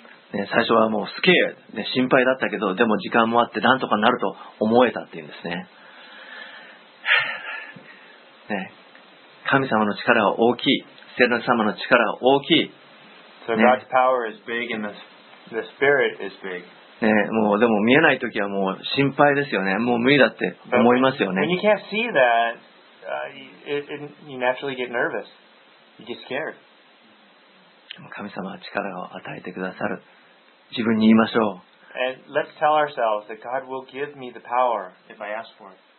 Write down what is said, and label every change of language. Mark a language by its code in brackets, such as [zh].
[ja] ね、最初はもうスケール、ね、心配だったけど、でも時間もあってなんとかなると思えたっていうんですね。ね、神様の力は大きい、聖霊様の力は大きい。 [en] So God's power is big and the Spirit is big. [ja] ね、もうでも見えないときはもう心配ですよね。もう無理だって思いますよね。 [en] When you can't see that, you naturally get nervous. You get scared. [ja] 神様は力を与えてくださる。自分に言いましょう。 [en] And let's tell ourselves that God will give me the power if I ask for it.